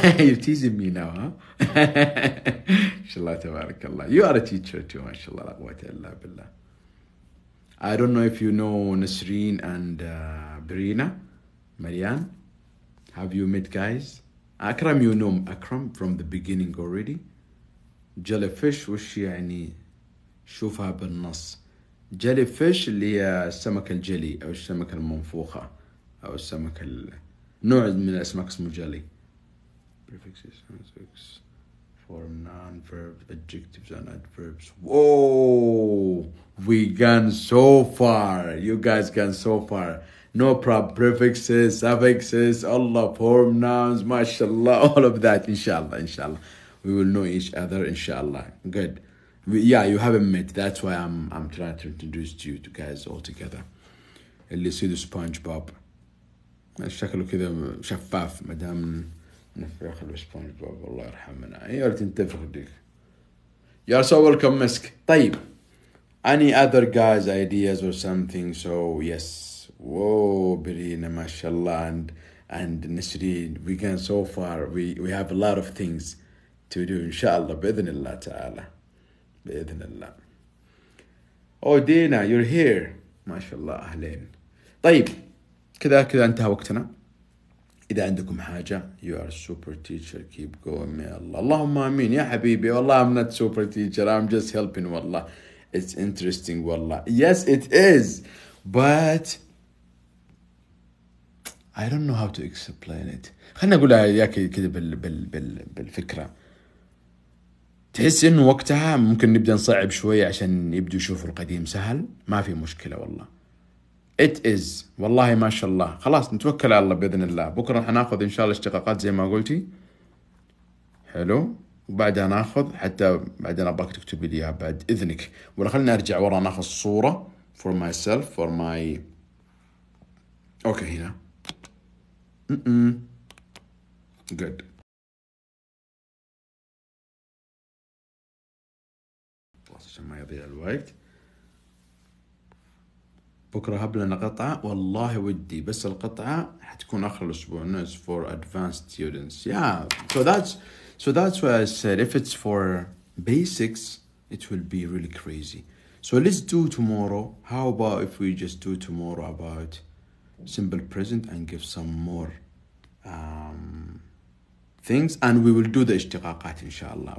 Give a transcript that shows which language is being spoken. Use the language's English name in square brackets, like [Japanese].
[English] You're teasing me now, huh? MashaAllah, Tabarakallah. You are a teacher too, MashaAllah. I don't know if you know Nasreen and Brina, Marian. Have you met guys? Akram, you know Akram from the beginning already. [Arabic] Jellyfish, وش يعني شوفها بالنص. Jellyfish اللي هي السمك الجلي أو السمك المنفوخة أو السمك نوع من الأسماك اسمه جلي. Prefixes, suffixes, [English] for noun, verb, adjectives, and adverbs. Whoa, we gone so far. You guys gone so far. No problem. Prefixes, suffixes, Allah, form nouns, mashallah, all of that, inshallah, inshallah. We will know each other, inshallah. Good. Yeah, you haven't met. That's why I'm trying to introduce you to guys all together. اللي see the SpongeBob. [Arabic] شكله كذا شفاف مدام نفخ SpongeBob. الله يرحمنا. ايه قلت انتفخ ديك. [English] You're so welcome, [Arabic] Misk. طيب. [English] Any other guys' ideas or something? So, yes. Whoa, Birina, mashallah. And Nasreen, we can so far. We have a lot of things to do, inshallah. [Arabic] بإذن الله تعالى. بإذن الله. [English] Oh, Dina, you're here. [Arabic] ما شاء الله أهلين. طيب كذا انتهى وقتنا. إذا عندكم حاجة, [English] you are a super teacher. Keep going, may Allah. [Arabic] اللهم آمين يا حبيبي. [English] والله I'm not super teacher. I'm just helping. والله it's interesting. والله yes it is, but I don't know how to explain it. [Arabic] خلنا أقول ياك كذا بالفكرة. تحس إنه وقتها ممكن نبدأ نصعب شوية عشان يبدو يشوفوا القديم سهل. ما في مشكلة والله. It is. والله ما شاء الله. خلاص نتوكل على الله بإذن الله. بكرة حناخذ إن شاء الله اشتقاقات زي ما قلتي. حلو. وبعدها ناخذ حتى بعدين أباك تكتب لي بعد إذنك. ولا خليني أرجع ورا ناخذ صورة [English] for myself for my. [Arabic] أوكي هنا. [English] Good. [Arabic] عشان ما يضيع الوقت. بكرة هبلنا قطعة. والله ودي بس القطعة حتكون آخر الأسبوع. [English] It's for advanced students. Yeah. So that's what I said. If it's for basics, it will be really crazy. So let's do tomorrow. How about if we just do tomorrow about simple present and give some more things, and we will do the اشتقاقات inshallah.